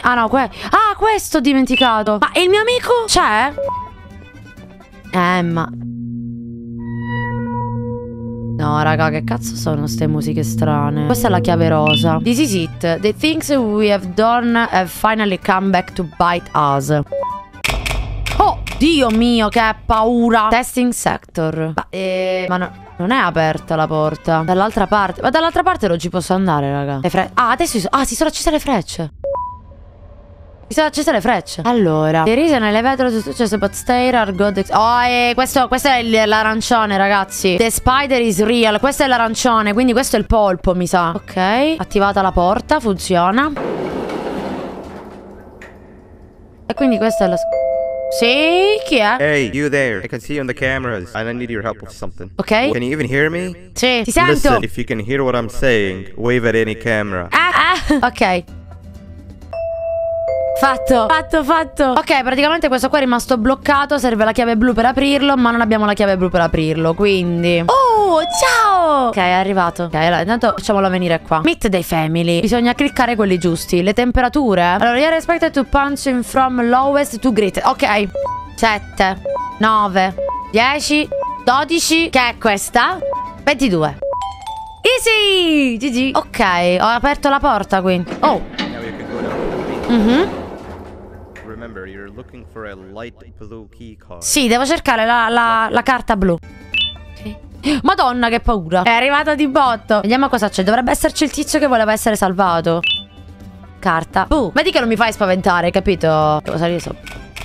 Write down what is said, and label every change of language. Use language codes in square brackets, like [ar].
[it] Ah no, questo ho dimenticato. Ma il mio amico c'è? Emma. No, raga, che cazzo sono ste musiche strane? Questa è la chiave rosa. [en] This is it. The things we have done have finally come back to bite us. [it] Oh, Dio mio, che paura. [en] Testing sector. [it] Ma no, non è aperta la porta. Dall'altra parte. Ma dall'altra parte non ci posso andare, raga. Si sono accese le frecce. Mi sono accese le frecce. Allora, the reason elevator is successo, but stay or god. Questo è l'arancione, ragazzi. [en] The spider is real. [it] Questo è l'arancione, quindi questo è il polpo, mi sa. Ok, attivata la porta, funziona. E quindi questa è la... Sì, chi è? [en] Hey, you there. I can see you on the cameras. And I need your help with something. Ok. Can you even hear me? [it] Sì, ti sento. [en] Listen, if you can hear what I'm saying, wave at any camera. Ok. [it] Fatto. Ok, praticamente questo qua è rimasto bloccato. Serve la chiave blu per aprirlo, ma non abbiamo la chiave blu per aprirlo, quindi... Oh, ciao! Ok, è arrivato. Ok, allora, intanto facciamolo venire qua. [en] Meet the family. [it] Bisogna cliccare quelli giusti. Le temperature. [en] Allora, you are expected to punch in from lowest to greatest. [it] Ok. 7, 9, 10, 12. Che è questa? 22. Easy! GG. Ok, ho aperto la porta, quindi. Oh! Mm-hmm. [en] Remember, you're looking for a light blue key card. [it] Sì, devo cercare la carta blu. Okay. Madonna, che paura. È arrivata di botto. Vediamo cosa c'è. Dovrebbe esserci il tizio che voleva essere salvato. Carta blu. Vedi che non mi fai spaventare, capito? Devo salire sopra.